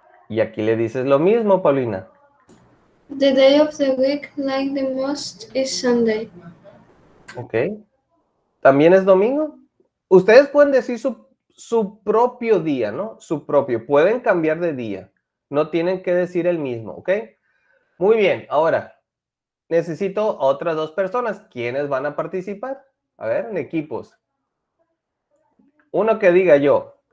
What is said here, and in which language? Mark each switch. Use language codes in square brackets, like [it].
[es] Y aquí le dices lo mismo, Paulina. [en] The day of the week I like the most is Sunday. [es] Ok. ¿También es domingo? Ustedes pueden decir su propio día, ¿no? Su propio. Pueden cambiar de día. No tienen que decir el mismo, ¿ok? Muy bien, ahora necesito a otras dos personas. ¿Quiénes van a participar? A ver, en equipos. Uno que diga yo.